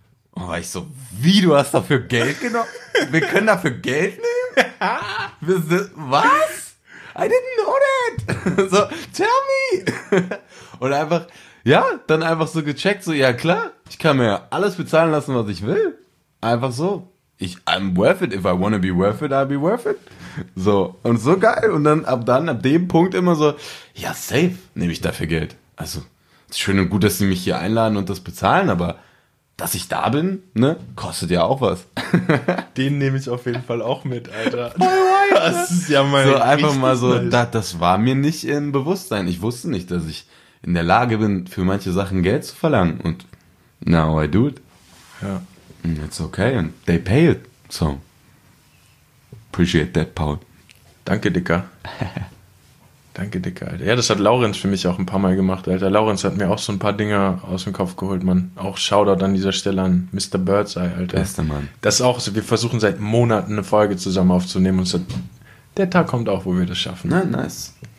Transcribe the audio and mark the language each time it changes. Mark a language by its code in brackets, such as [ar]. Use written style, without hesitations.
[de] Und war ich so, wie, du hast dafür Geld genommen? Wir können dafür Geld nehmen? Wir sind, was? [en] I didn't know that. So, tell me. [de] Und einfach, ja, dann einfach so gecheckt, so, ja, klar, ich kann mir alles bezahlen lassen, was ich will. Einfach so. [en] I'm worth it. If I wanna be worth it, I'll be worth it. [de] So, und so geil. Und dann, ab dem Punkt immer so, ja, safe, nehme ich dafür Geld. Also, ist schön und gut, dass sie mich hier einladen und das bezahlen, aber dass ich da bin, ne, kostet ja auch was. Den nehme ich auf jeden Fall auch mit, Alter. Das ist ja mein... So, einfach mal so, das war mir nicht im Bewusstsein. Ich wusste nicht, dass ich in der Lage bin, für manche Sachen Geld zu verlangen. Und [en] now I do it. [de] Ja. [en] It's okay, and they pay it, so appreciate that, Paul. [de] Danke, Dicker, Alter. Ja, das hat Laurenz für mich auch ein paar Mal gemacht, Alter. Laurenz hat mir auch so ein paar Dinger aus dem Kopf geholt, Mann. Auch Shoutout an dieser Stelle an Mr. Birdseye, Alter. Bester Mann. Das ist auch so, wir versuchen seit Monaten eine Folge zusammen aufzunehmen und so, der Tag kommt auch, wo wir das schaffen. Na, nice.